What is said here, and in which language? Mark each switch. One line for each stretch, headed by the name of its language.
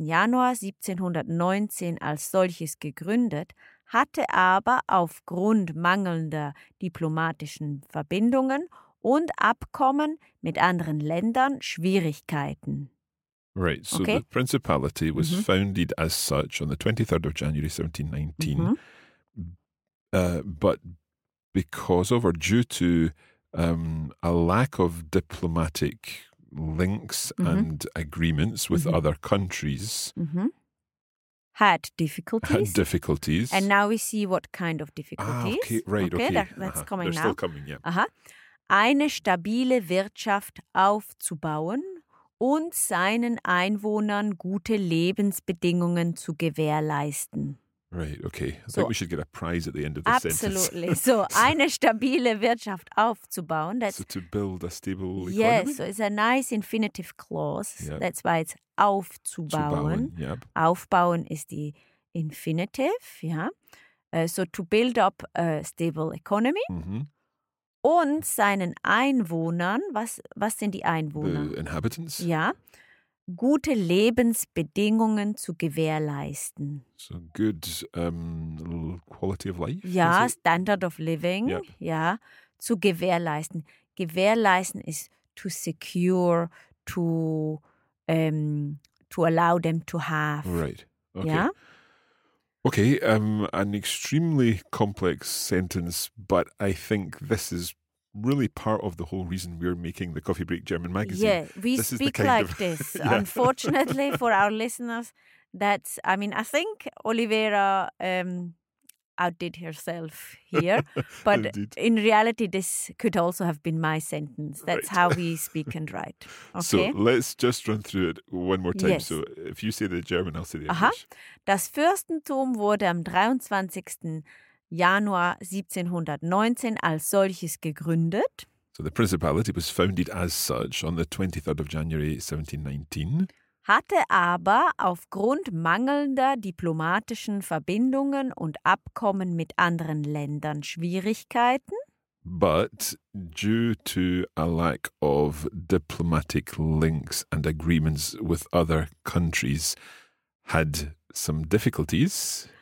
German: Januar 1719 als solches gegründet, hatte aber aufgrund mangelnder diplomatischen Verbindungen und Abkommen mit anderen Ländern Schwierigkeiten.
English: Right, so okay. The principality was mm-hmm. founded as such on the 23rd of January 1719, mm-hmm. But because of or due to a lack of diplomatic links mm-hmm. and agreements with mm-hmm. other countries. Mm-hmm. Had difficulties. Had difficulties. And now we see what kind of difficulties. Ah, okay, right, okay. Okay. That's uh-huh. coming They're now. Still coming, yeah. Uh-huh.
German: Eine stabile Wirtschaft aufzubauen und seinen Einwohnern gute Lebensbedingungen zu gewährleisten.
English: Right, okay. I think we should get a prize at the end of the absolutely. Sentence.
German: Absolutely. So, eine stabile Wirtschaft aufzubauen.
English: That's, so, to build a stable economy? Yes, so it's a nice infinitive clause. Yep. That's why it's aufzubauen. Yep.
German: Aufbauen ist die
English: infinitive,
German: ja. Yeah.
English: So, to build up a stable economy. Mm-hmm.
German: Und seinen Einwohnern, was sind die Einwohner?
English: The inhabitants.
German: Ja. Gute Lebensbedingungen zu gewährleisten.
English: So good quality of life. Ja, standard of living. Yep.
German: Ja, zu gewährleisten. Gewährleisten ist
English: to secure, to allow them to have. Right. Okay.
German: Ja?
English: Okay. An extremely complex sentence, but I think this is really part of the whole reason we're making the Coffee Break German magazine. Yeah, we this speak like of, this. Yeah. Unfortunately for our listeners, that's, I mean, I think Oliveira outdid herself here. But in reality, this could also have been my sentence. That's right. How we speak and write. Okay? So let's just run through it one more time. Yes. So if you say the German, I'll say the uh-huh. English.
German: Das Fürstentum wurde am 23. Januar 1719 als solches gegründet.
English: So the principality was founded as such on the 23rd of January 1719.
German: Hatte aber aufgrund mangelnder diplomatischen Verbindungen und Abkommen mit anderen Ländern Schwierigkeiten.
English: But due to a lack of diplomatic links and agreements with other countries had some difficulties.